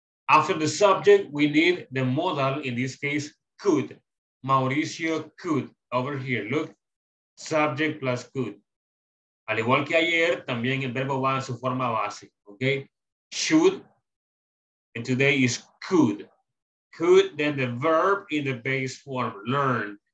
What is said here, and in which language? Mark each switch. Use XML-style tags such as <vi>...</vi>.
<en>After the subject, we need the modal, in this case, could. Mauricio could, over here, look. Subject plus could.</en> <es>Al igual que ayer, también el verbo va en su forma base, okay?</es> <en>Should, and today is could. Could, then the verb in the base form, learn.</en>